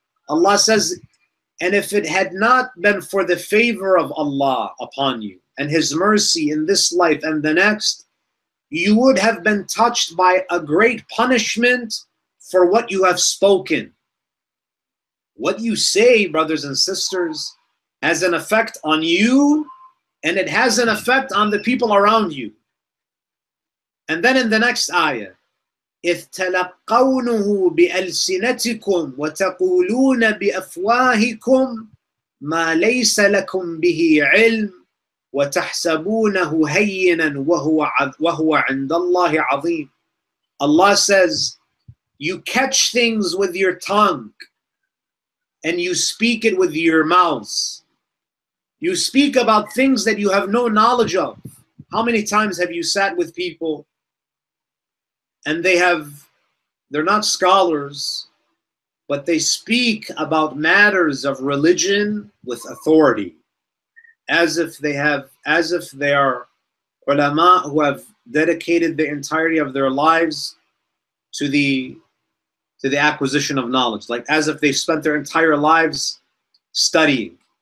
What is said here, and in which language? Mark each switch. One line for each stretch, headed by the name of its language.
English: Allah says, and if it had not been for the favor of Allah upon you and His mercy in this life and the next, you would have been touched by a great punishment for what you have spoken. What you say, brothers and sisters, has an effect on you, and it has an effect on the people around you. And then in the next ayah,
Arabic: إِذْ تَلَقَّوْنُهُ بِأَلْسِنَتِكُمْ وَتَقُولُونَ بِأَفْوَاهِكُمْ مَا لَيْسَ لَكُمْ بِهِ عِلْمٌ وَتَحْسَبُونَهُ هَيِّنًا وَهُوَ عِنْدَ اللَّهِ عَظِيمٌ.
English: Allah says, you catch things with your tongue and you speak it with your mouths. You speak about things that you have no knowledge of. How many times have you sat with people and they're not scholars, but they speak about matters of religion with authority, as if they are ulama who have dedicated the entirety of their lives to the acquisition of knowledge, like as if they've spent their entire lives studying.